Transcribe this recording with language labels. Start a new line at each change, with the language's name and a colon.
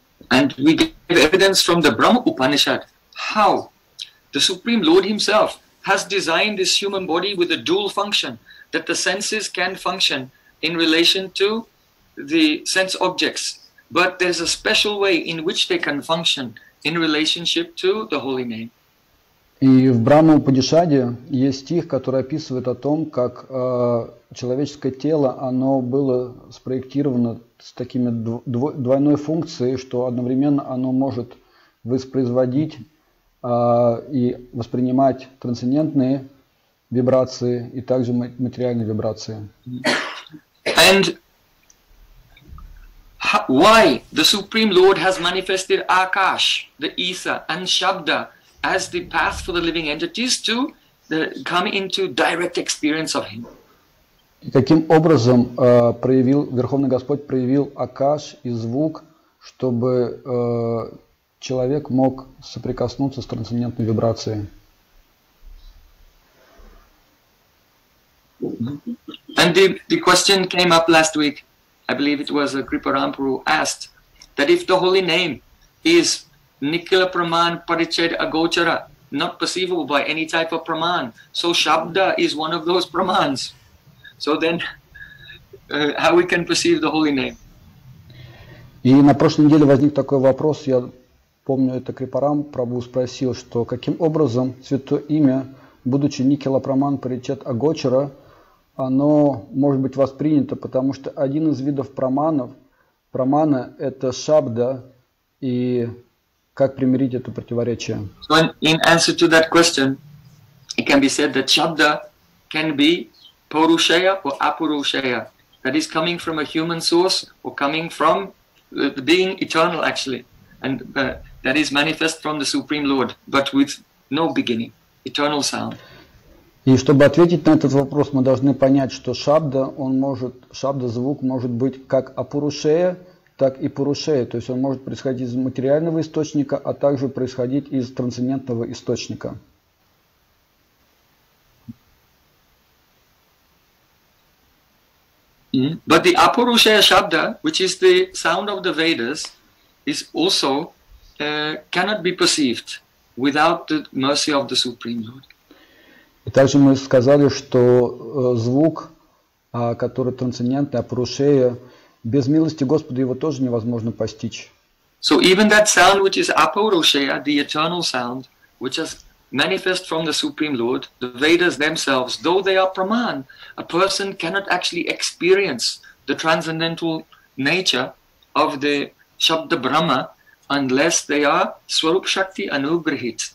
English: And we give evidence from the Brahma Upanishad how the Supreme Lord himself has designed this human body with a dual function, that the senses can function in relation to the sense objects, but there's a special way in which they can function in relationship to the holy name.
Russian: И в Брахма Упанишаде есть стих, который описывает о том, как человеческое тело, оно было спроектировано с такими двойной функцией, что одновременно оно может воспроизводить и воспринимать трансцендентные вибрации и также материальные вибрации.
English: And why the Supreme Lord has manifested Akash, the Isa, and Shabda as the path for the living entities to come into direct experience of him.
Russian: И каким образом проявил Верховный Господь проявил Акаш и звук, чтобы человек мог соприкоснуться с трансцендентной вибрацией?
English: And the question came up last week. I believe it was Kripa Rampuru asked that if the holy name is Nikila Praman Parichet Agochara, not perceivable by any type of Praman. So Shabda is one of those Pramans. So then, how we can perceive the holy name?
Russian: И на прошлой неделе возник такой вопрос, я помню, это Крипарам Прабу спросил, что каким образом святое имя, будучи Никила Праман Паричет Агочара, оно может быть воспринято, потому что один из видов праманов, прамана – это Шабда, и как примирить это противоречие?
English: So in answer to that question, it can be said that Shabda can be Purusheya or Apurusheya, that is coming from a human source or coming from the being eternal actually. and that is manifest from the Supreme Lord, but with no beginning, eternal sound.
Russian: И чтобы ответить на этот вопрос, мы должны понять, что шабда, он может, шабда звук может быть как апурушея, так и пурушея, то есть он может происходить из материального источника, а также происходить из трансцендентного источника.
English: But the apurushaya shabda, which is the sound of the Vedas, is also cannot be perceived without the mercy of the Supreme Lord.
Russian: И также мы сказали, что звук, который трансцендентный, апурушея, без милости Господа его тоже невозможно постичь.
English: So even that sound, which is apurushaya, the eternal sound, which is manifest from the Supreme Lord, the Vedas themselves, though they are Praman, a person cannot actually experience the transcendental nature of the Shabda Brahma unless they are Swarup Shakti Anugrahit.